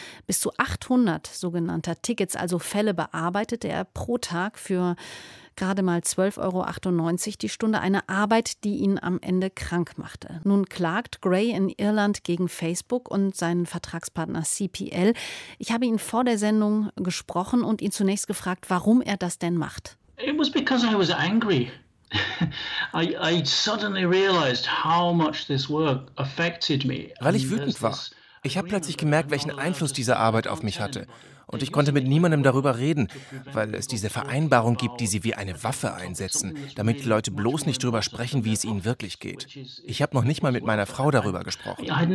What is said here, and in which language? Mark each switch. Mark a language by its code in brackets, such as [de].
[de] Bis zu 800 sogenannter Tickets, also Fälle, bearbeitete er pro Tag für gerade mal 12,98 Euro die Stunde, eine Arbeit, die ihn am Ende krank machte. Nun klagt Gray in Irland gegen Facebook und seinen Vertragspartner CPL. Ich habe ihn vor der Sendung gesprochen und ihn zunächst gefragt, warum er das denn macht. [en] It was because I was angry. I suddenly realized how much this work affected me. [de] Weil ich wütend war. Ich habe plötzlich gemerkt, welchen Einfluss diese Arbeit auf mich hatte. Und ich konnte mit niemandem darüber reden, weil es diese Vereinbarung gibt, die sie wie eine Waffe einsetzen, damit die Leute bloß nicht darüber sprechen, wie es ihnen wirklich geht. Ich habe noch nicht mal mit meiner Frau darüber gesprochen.